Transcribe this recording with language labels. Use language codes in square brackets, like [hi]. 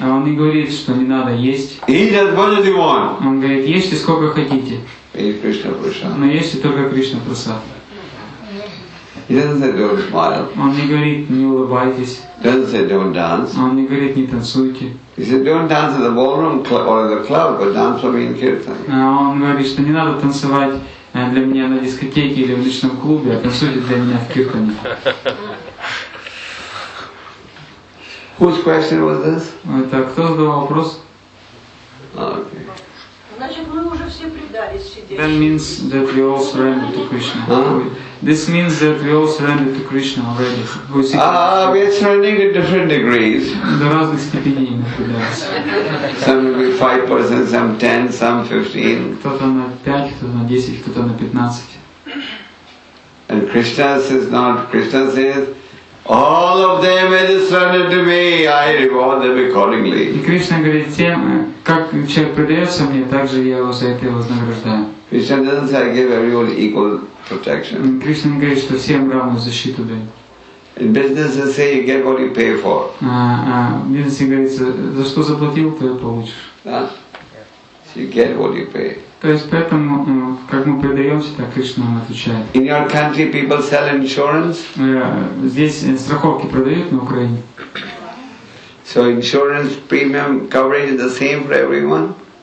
[ru] Он не говорит, что не надо есть. [en] Eat as much as you want. [ru] Он говорит, ешьте сколько хотите. [en] Eat Krishna Prasad. [ru] Но ешьте только Кришна Прасад. [en] He doesn't say don't smile. [ru] Он не говорит, не улыбайтесь. [en] Doesn't say don't dance. [ru] Он не говорит, не танцуйте. [en] He said don't dance in the ballroom or in the club, but dance for me in kirtan. [ru] Он говорит, что не надо танцевать для меня на дискотеке или в личном клубе, а танцуйте для меня в киртане. [en] Whose question was this? [ru] Это кто задал вопрос? [en] Okay. That means that we all surrender to Krishna. Huh? This means that we all surrender to Krishna already. We are surrendering at different degrees. Some will be 5%, some 10, some 15. [ru] Кто-то на 5, кто-то на 10, кто-то на 15. [en] And Krishna says not. Krishna says, all of them may surrender to me. I reward them accordingly. [ru] И Кришна говорит тем, как человек предается мне, так же я его за это вознаграждаю. [en] Krishna doesn't say I give everyone equal protection. [ru] Кришна говорит, что всем равную защиту дает. [en] In business, they say you get what you pay for. [ru] В бизнесе говорится, за что заплатил, то и получишь. [en] Да. So you get what you pay. [ru] То есть поэтому, как мы предаемся, так Кришна нам отвечает. [en] In your country people sell insurance? [ru] Здесь страховки продают на Украине. [en] So insurance premium coverage is the same for everyone?